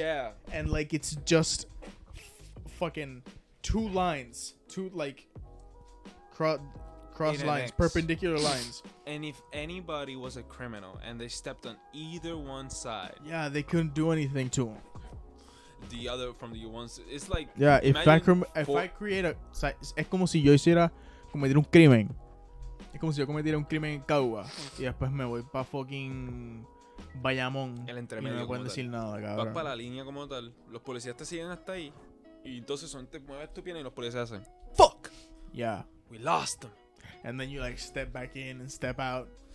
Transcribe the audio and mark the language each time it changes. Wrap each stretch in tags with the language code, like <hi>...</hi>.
<en>Yeah. And, like, it's just fucking two lines. Two, like, cross lines. Perpendicular lines. And if anybody was a criminal and they stepped on either one side, yeah, they couldn't do anything to them. The other from the ones, it's like, yeah, if I create a,</en> <es>es como si yo hiciera cometer un crimen, es como si yo cometiera un crimen en Cagua y después me voy pa fucking Bayamón. El entremedio. Y no me pueden decir nada, cabrón. Vas pa la línea como tal, los policías te siguen hasta ahí y entonces son te mueves tu pierna y los policías hacen fuck.</es> <en>Yeah. We lost them. And then you, like, step back in and step out.</en>